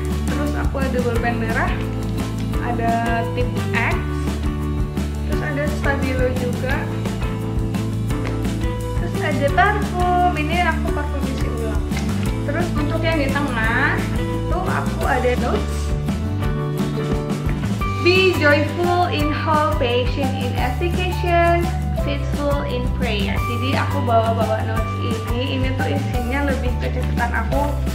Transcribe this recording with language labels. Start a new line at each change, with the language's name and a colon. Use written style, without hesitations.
Indonesian: Terus aku ada bolpen merah. Ada tip X. Terus ada stabilo juga. Terus ada parfum. Ini aku parfum isi ulang. Terus untuk yang di tengah tuh aku ada notes.
English: Be joyful in hope, patient in application, faithful in prayer.
Indonesian: Jadi aku bawa notes ini tuh isinya lebih ke catatan aku.